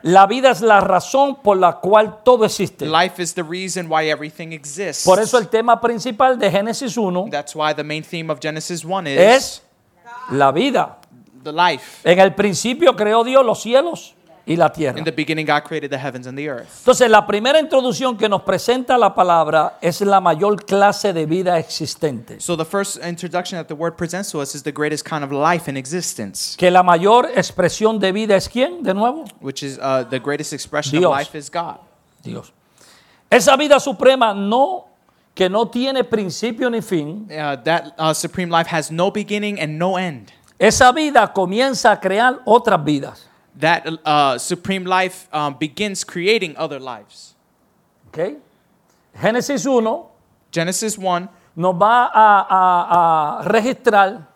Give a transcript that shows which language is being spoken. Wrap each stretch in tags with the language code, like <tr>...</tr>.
<es>La vida es la razón por la cual todo existe.</es> <en>Life is the reason why everything exists.</en> <es>Por eso el tema principal de Génesis 1,</es> <en>that's why the main theme of Genesis 1 is,</en> <es>es la vida.</es> <en>The life.</en> <es>En el principio creó Dios los cielos y la tierra.</es> <en>In the beginning, God created the heavens and the earth.</en> <es>Entonces, la primera introducción que nos presenta la palabra es la mayor clase de vida existente.</es> <en>So the first introduction that the word presents to us is the greatest kind of life in existence.</en> <es>Que la mayor expresión de vida es quién, de nuevo?</es> <en>Which is the greatest expression</en> <es>Dios.</es> <en>Of life is God.</en> <es>Dios. Esa vida suprema no que no tiene principio ni fin.</es> <en>That supreme life has no beginning and no end.</en> <es>Esa vida comienza a crear otras vidas.</es> <en>That supreme life begins creating other lives. Okay. Genesis 1. Genesis 1.</en> <es>Nos va a registrar.</es>